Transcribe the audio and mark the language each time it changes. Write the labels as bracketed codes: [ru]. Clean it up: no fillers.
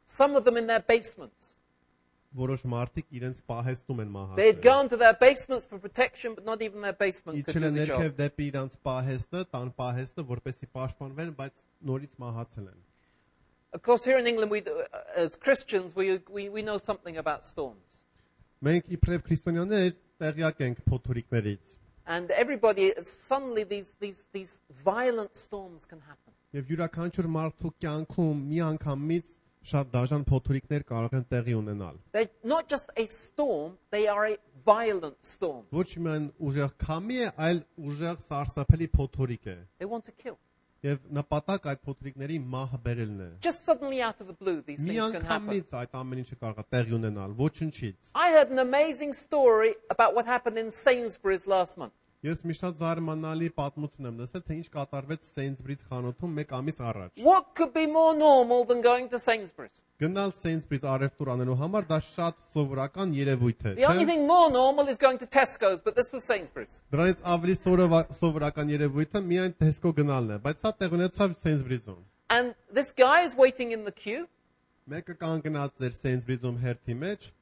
[en] Some of them in their basements. [hy] Որոշ մարդիկ իրենց պահեստում են մահացել։ [en] They'd gone to their basements for protection but not even their basement could do the job. Իչները [hy] ներքև դեպի իրենց պահեստը, տան պահեստը, որպեսի պաշտպանվեն, բայց նորից մահացել են։ [en] Of course here in England we as Christians we know something about storms. [hy] Մենք իբրև քրիստոնյաներ տեղյակ ենք փոթորիկներից։ [en] And everybody suddenly these violent storms can happen. [hy] Եվ յուրաքանչյուր մարդու կյանքում մի անգամից շատ դաժան փոթորիկներ կարող են տեղի ունենալ։ [en] They're not just a storm, they are a violent storm. [hy] Ոչ միայն ուժեղ քամի է, այլ ուժեղ սարսափելի փոթորիկ է։ [en] They want to kill. [hy] Եվ նպատակ այդ փոթորիկների մահ բերելն է։ [en] Just suddenly out of the blue these things can happen. [hy] Մի անգամից այդ ամեն ինչը կարող է տեղի ունենալ, ոչնչից։ [en] I heard an amazing story about what happened in Sainsbury's last month. [hy] Ես մի շատ զարմանալի պատմություն եմ լսել, թե ինչ կատարվեց Sainsbury's խանութում մեկ ամիս առաջ։ [en] What could be more normal than going to Sainsbury's? [hy] Գնալ Sainsbury's առևտուր անելու համար դա շատ սովորական երևույթ է։ [en] The only thing more normal is going to Tesco's, but this was Sainsbury's. [hy] Դրանից ավելի սովորական երևույթը միայն Tesco գնալն է, բայց սա տեղ ունեցավ Sainsbury's-ում։ [en] And this guy is waiting in the queue. [hy] Մեկը կանգնած էր Sainsbury's-ում հերթի մեջ։